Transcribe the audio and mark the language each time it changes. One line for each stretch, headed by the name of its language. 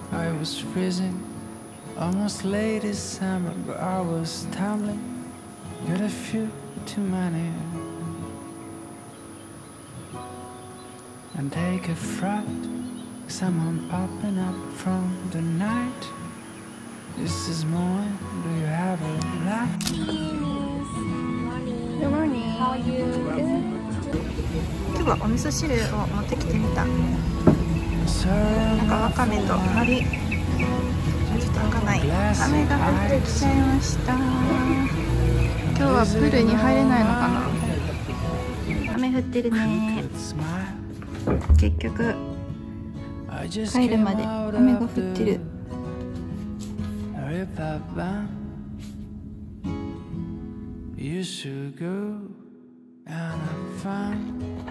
English: I was freezing almost late December, but I was tumbling with a few too many. And take a fright, someone popping up from the night. This is morning, do you have a light? Good morning. Good morning. How are you? Good.
Japanese: 今日はお味噌汁を持ってきてみた。なんかわかめとあまりちょっと開かない。雨が降ってきちゃいました。今日はプールに入れないのかな。雨降ってるね。結局入るまで雨が降ってる。
English: Papa, you should go and have fun.